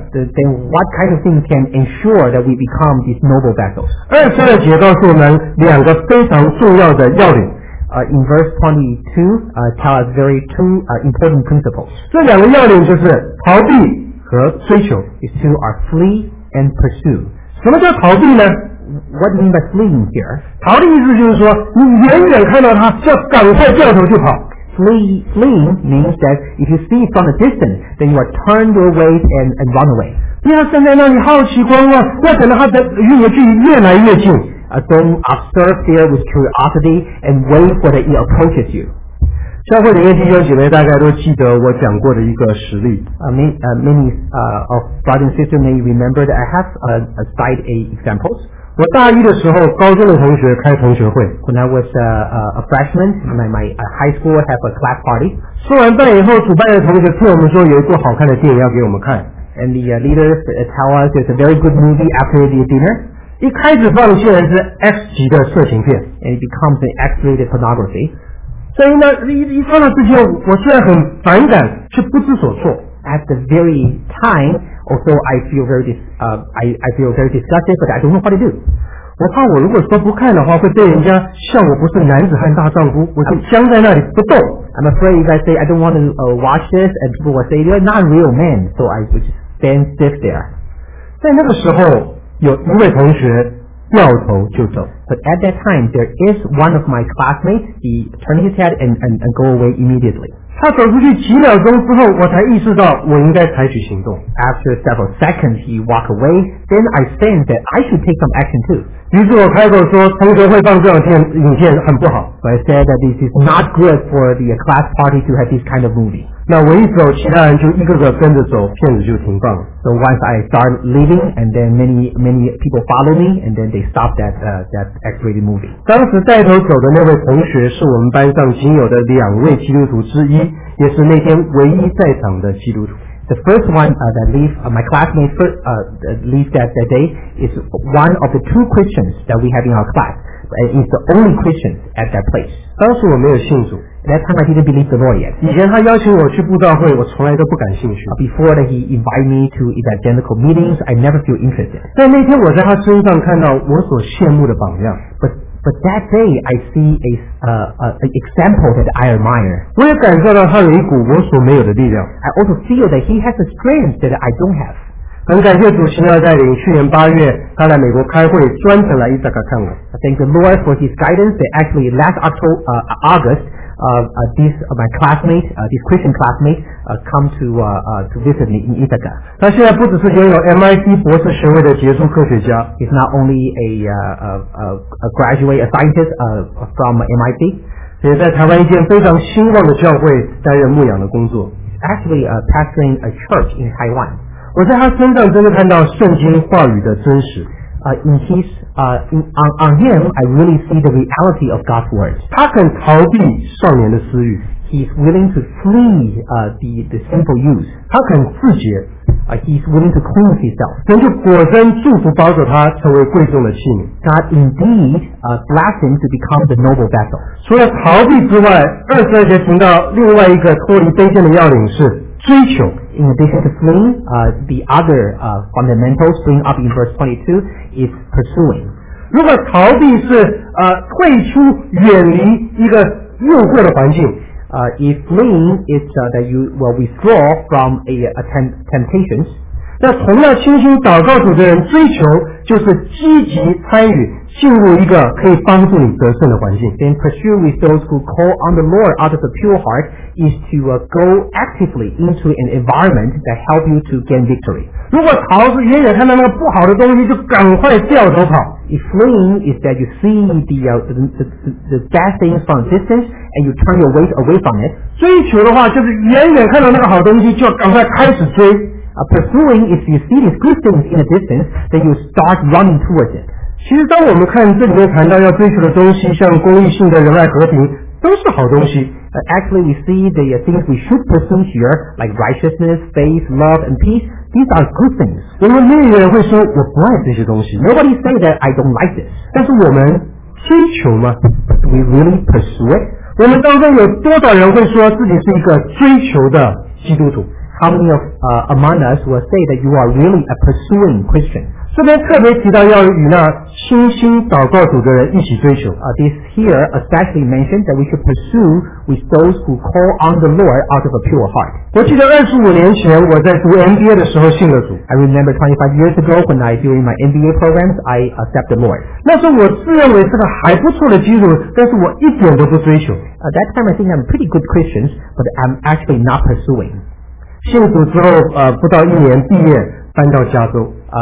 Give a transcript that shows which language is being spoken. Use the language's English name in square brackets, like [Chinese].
[English] Then what kind of thing can ensure that we become these noble vessels? [Chinese] 二十二节告诉我们两个非常重要的要领。 [English] In verse 22, tell us two important principles. [Chinese] 这两个要领就是逃避和追求。 [English] Is to our flee and pursue. [Chinese] 什么叫逃避呢？ [English] What do you mean by fleeing here? [Chinese] 逃的意思就是说，你远远看到他，就赶快掉头就跑。 [English] Fleeing means that if you see from a distance, then you are turned your way and run away. [Chinese] 不要站在那里好奇观望，要等到他的与你的距离越来越近。 [English] Don't observe there with curiosity and wait for it approaches you. [Chinese] 教会里面弟兄姐妹大概都记得我讲过的一个实例。 [English] Many of brothers and sisters may remember that I have cited a examples. [Chinese] 我大一的时候，高中的同学开同学会。 [English] When I was a freshman, my high school have a class party. [Chinese] 说完半以后，主办的同学跟我们说有一部好看的电影要给我们看。 [English] And the leader tell us it's a very good movie after the dinner. [Chinese] 一开始放的竟然是 X 级的色情片 [English] and it becomes an X-rated pornography. [Chinese] 所以呢，一放到这些，我虽然很反感，却不知所措。 [English] At the very time, although I feel very I feel very disgusted, but I don't know what to do. [Chinese] 我怕我如果说不看的话，会被人家笑我不是男子汉大丈夫，我就僵在那里不动。 [English] I'm afraid if I say I don't want to watch this, and people will say you're not a real man, so I would stand stiff there. [Chinese] 在那个时候。有一位同学掉头就走。 [English] But at that time, there is one of my classmates. He turned his head and go away immediately. [Chinese] 他走出去几秒钟之后，我才意识到我应该采取行动。 [English] After several seconds, he walked away. Then I think that I should take some action too. [Chinese] 于是我开口说，同学会放这种影片很不好。 [English] But I said that this is not good for the class party to have this kind of movie. [Chinese] 那我一走，其他人就一个个跟着走，片子就停放了。 [English] So once I start leaving, and then many people follow me, and then they stop that X-rated movie. [Chinese] 当时带头走的那位同学是我们班上仅有的两位基督徒之一，也是那天唯一在场的基督徒。 [English] The first one that leave my classmate first leave that day is one of the two Christians that we have in our class. He's the only Christian at that place. [Chinese] 当时我没有信主。 [English] That time I didn't believe the Lord yet. [Chinese] 以前他邀请我去布道会，我从来都不感兴趣。 [English] Before that, he invited me to evangelical meetings. I never feel interested. [Chinese] 但那天我在他身上看到我所羡慕的榜样。 [English] But that day, I see an example that I admire. [Chinese] 我也感受到他有一股我所没有的力量。 [English] I also feel that he has a strength that I don't have. [Chinese] 很感谢主奇妙带领，去年八月他来美国开会，专程来伊萨卡看我。 [English] I thank the Lord for his guidance. That actually last August. This Christian classmate come to visit me in Ithaca. [Chinese] 他现在不只是拥有 MIT 博士学位的杰出科学家。 [English] He's not only a graduate, a scientist from MIT. [Chinese] 也在台湾一间非常兴旺的教会担任牧养的工作。 [English] Actually, pastoring a church in Taiwan. [Chinese] 我在他身上真的看到圣经话语的真实。 [English] On him, I really see the reality of God's words. [Chinese] 他肯逃避少年的私欲。 [English] He's willing to flee the simple youth. [Chinese] 他肯自洁。 [English] He's willing to cleanse himself. [Chinese] 神就果真祝福保守他成为贵重的器皿。 [English] God indeed blessed him to become the noble vessel. [Chinese] 除了逃避之外，二十二节提到另外一个脱离卑贱的要领是追求。 [English] In addition to fleeing, the other fundamental spring up in verse 22 is pursuing. [Chinese] 如果逃避是退出远离一个诱惑的环境。 [English] If fleeing is that you will withdraw from a temptations, [Chinese] 那同样清心祷告主的人追求就是积极参与进入一个可以帮助你得胜的环境。 [English] Then pursue with those who call on the Lord out of the pure heart is to go actively into an environment that help you to gain victory. [Chinese] 如果逃是远远看到那个不好的东西就赶快掉头跑。 [English] If fleeing is that you see the bad things from distance and you turn your weight away from it. [Chinese] 追求的话就是远远看到那个好东西就要赶快开始追。 [English] Pursuing is you see these good things in a distance then you start running towards it. [Chinese] 其实当我们看这里面谈到要追求的东西像公益性的仁爱和平都是好东西 [English] Actually we see the things we should pursue here like righteousness, faith, love and peace these are good things [Chinese] 我们没有人会说我不爱这些东西 [English] Nobody say that I don't like this [Chinese] 但是我们追求吗 [English] We really pursue it [Chinese] 我们当中有多少人会说自己是一个追求的基督徒 [English] How many of among us will say that you are really a pursuing Christian? [Chinese] 这边特别提到要与那倾心祷告主的人一起追求。 [English] This here especially mentioned that we should pursue with those who call on the Lord out of a pure heart. [Chinese] 我记得25年前我在读 MBA 的时候信了主。 [English] I remember 25 years ago when I during my MBA programs, I accept the Lord. [Chinese] 那时候我自认为是个还不错的基督徒，但是我一点都不追求。 [English] That time I think I'm pretty good Christian, but I'm actually not pursuing. [Chinese] 信主之后不到一年毕业搬到加州。